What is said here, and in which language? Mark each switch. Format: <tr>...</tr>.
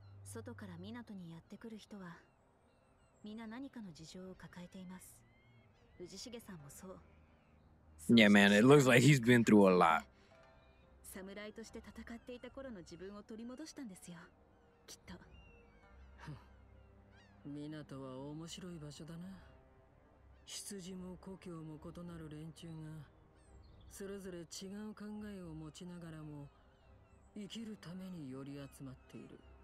<ja>これで兵器の準備を進められます。宇治重さんたちが協力してくれたおかげで兵器の準備の方もノコスところ最後の仕上げだけ。あんなに張り切っている宇治重さんを見るのは初めてですね。どうだろう。あれが元来の姿かもしれん。まだ知り合って日が浅いからそう思うだけかな。外から港にやってくる人は</ja> <en>Yeah, man, it looks like he's been through a lot.</en> <ja>サムライとして戦っていた頃の自分を取り戻したんですよ、きっと。港は面白い場所だな。羊も故郷も異なる連中がそれぞれ違う考えを持ちながらも生きるために寄り集まっている。</ja>